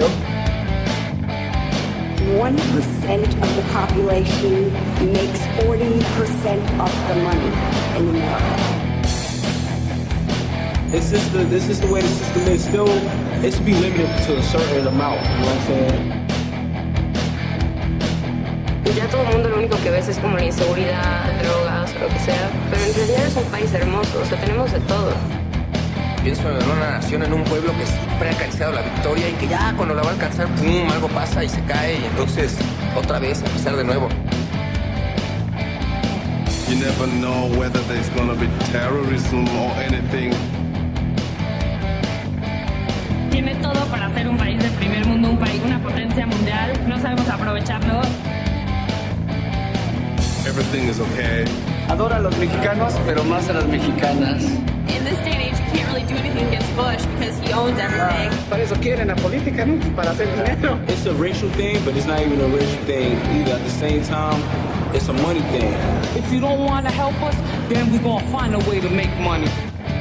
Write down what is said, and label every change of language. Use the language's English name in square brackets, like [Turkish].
[English] 1% of the population makes 40% of the money in America. This is the way the system is. Still, it should be limited to a certain amount. You know what I'm saying? [Spanish] Ya todo el mundo lo único que ves es como la inseguridad, drogas, lo que sea. Pero en realidad es un país hermoso, o sea, tenemos de todo. Pienso en una nación, en un pueblo que siempre ha acariciado la victoria y que ya cuando la va a alcanzar, pum, algo pasa y se cae y entonces otra vez a empezar de nuevo. [English] You never know whether there's gonna be terrorism or anything. [Spanish] Tiene todo para ser un país de primer mundo, un país, una potencia mundial. No sabemos aprovecharlo. [English] Everything is okay. [Spanish] Adora a los mexicanos, pero más a las mexicanas. [English] In this day and age, you can't really do anything against Bush because he owns everything. [Spanish] Para eso quieren la política, ¿no? Para hacer dinero. [English] It's a racial thing, but it's not even a racial thing either. At the same time, it's a money thing. If you don't want to help us, then we're going to find a way to make money.